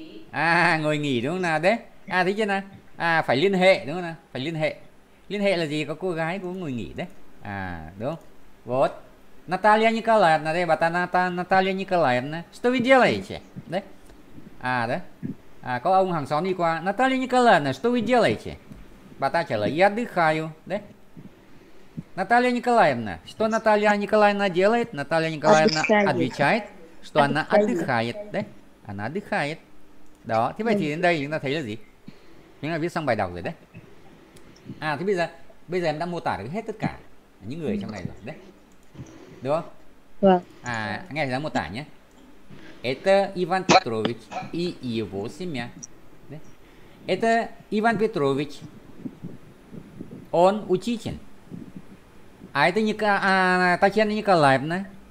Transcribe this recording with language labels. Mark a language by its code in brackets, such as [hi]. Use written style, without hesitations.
[vi] À, ngồi nghỉ đúng không nào đấy? À, thấy chưa nào? À, phải liên hệ đúng không nào? Phải liên hệ. Liên hệ là gì? Có cô gái cũng ngồi nghỉ đấy. À, đúng không? [ru] Вот. Наталья Николаевна, да, вот она, Наталья Николаевна, что вы делаете? Да? А, да? [vi] А, có ông hàng xóm đi qua. [ru] Наталья Николаевна, что вы делаете? [vi] Bà ta trả lời, [ru] я отдыхаю, да? Наталья Николаевна, что Наталья Николаевна делает? Наталья Николаевна отвечает, что она отдыхает, да? Она отдыхает. [vi] Đó, thế vậy thì đến đây chúng ta thấy là gì? Chúng ta viết xong bài đọc rồi đấy. À, thế bây giờ em đã mô tả được hết tất cả những người trong này rồi đấy. Đúng không? Vâng. À, nghe thầy giáo mô tả nhé. [ru] Это Иван Петрович и его семья. Это Иван Петрович. Он учитель. А это Татьяна Николаевна.